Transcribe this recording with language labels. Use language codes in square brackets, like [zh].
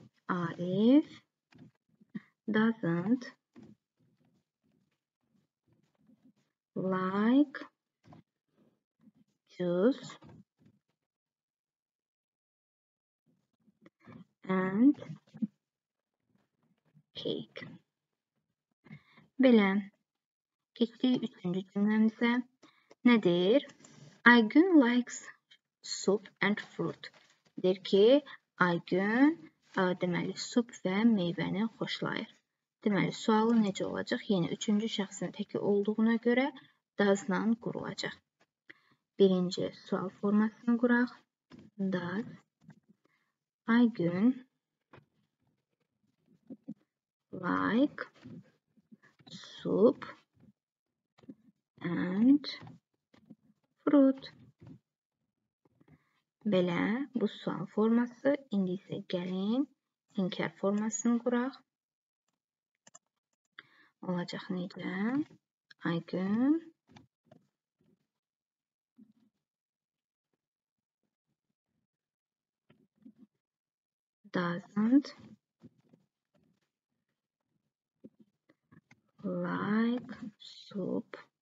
[en] Arif doesn't like juice and cake. [az] Belə, keçdik üçüncü cümləmizə. Nədir? [en] Aygün likes soup and fruit. [az] Deyir ki, Aygün deməli, soup və meyvəni xoşlayır. Deməli, sualı necə olacaq? Yəni, üçüncü şəxsin təki olduğuna görə does-la qurulacaq. Birinci sual formasını quraq. [en] Does Aygün like soup and fruit. [az] Belə, bu sual forması. İndi isə gəlin inkar formasını quraq. Olacaq necə? [en] Aygün doesn't like soup.